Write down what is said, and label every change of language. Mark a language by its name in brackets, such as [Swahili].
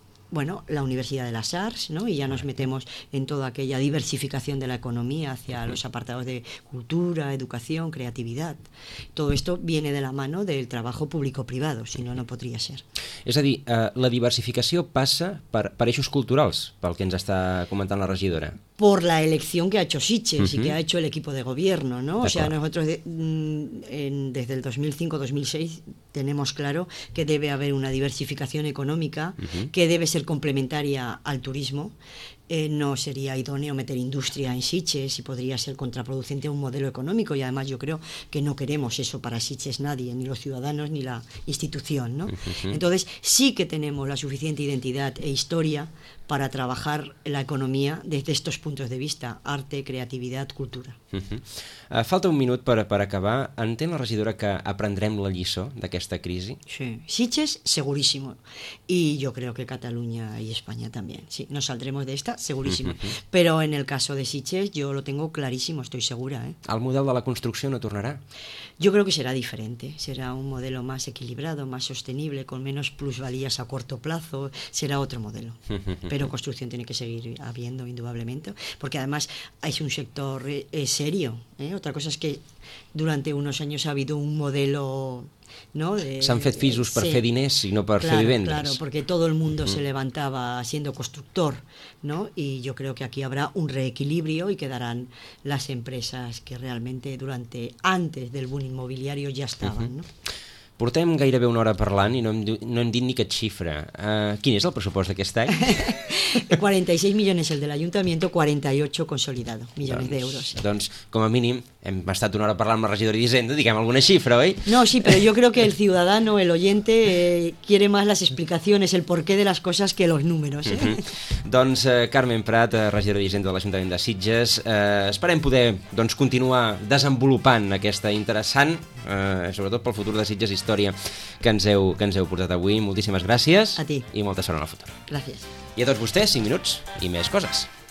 [Spanish] Bueno, la Universidad de las Arts, ¿no? Y ya nos metemos en toda aquella diversificación de la economía hacia los apartados de cultura, educación, creatividad. Todo esto viene de la mano del trabajo público-privado, si no, no podría ser. [Catalan] És a dir, la diversificació passa per eixos culturals, pel que ens està comentant la regidora. [Spanish] Por la elección que ha hecho Sitges y que ha hecho el equipo de gobierno, ¿no? O sea, nosotros desde el 2005-2006 tenemos claro que debe haber una diversificación económica, que debe ser complementaria al turismo. No sería idóneo meter industria en Sitges y podría ser contraproducente a un modelo económico, y además yo creo que no queremos eso para Sitges nadie, ni los ciudadanos ni la institución, ¿no? Entonces sí que tenemos la suficiente identidad e historia para trabajar la economía desde estos puntos de vista: arte, creatividad, cultura. [Catalan] Falta un minut per acabar. Entén la regidora que aprendrem la lliçó d'aquesta crisi? [Spanish] Sí, Sitges segurísimo, y yo creo que Cataluña y España también. Sí, nos saldremos de esta segurísimo, pero en el caso de Sitges yo lo tengo clarísimo, estoy segura, [Catalan] El model de la construcció no tornarà? [Spanish] Yo creo que será diferente, será un modelo más equilibrado, más sostenible, con menos plusvalías a corto plazo, será otro modelo. Pero construcción tiene que seguir habiendo, indudablemente, porque además es un sector serio. Otra cosa es que durante unos años ha habido un modelo ¿no? [Catalan] S'han fet pisos per fer diners i no per fer vivendes. [Spanish] Claro, porque todo el mundo se levantaba siendo constructor, ¿no? Y yo creo que aquí habrá un reequilibrio y quedarán las empresas que realmente durante antes del boom inmobiliario ya estaban, ¿no? [Catalan] Portem gairebé una hora parlant i no hem dit ni cap xifra. Quin és el pressupost d'aquest any? 46 milions el de l'Ajuntament, 48 consolidado, milions d'euros. Doncs, com a mínim, hem estat una hora parlant amb el regidor d'Hisenda, diguem alguna xifra, oi? [Spanish] No, sí, [Catalan] però jo crec que [Spanish] el ciudadano, el oyente, quiere más las explicaciones, el porqué de las cosas que los números. [Catalan] Doncs, Carmen Prat, regidor d'Hisenda de l'Ajuntament de Sitges, esperem poder doncs, continuar desenvolupant aquesta interessant, sobretot pel futur de Sitges, història que ens heu portat avui. Moltíssimes gràcies. [Spanish] A ti. [Catalan] I molta sort en el futur. Gràcies. I a tots vostès, 5 minuts i més coses.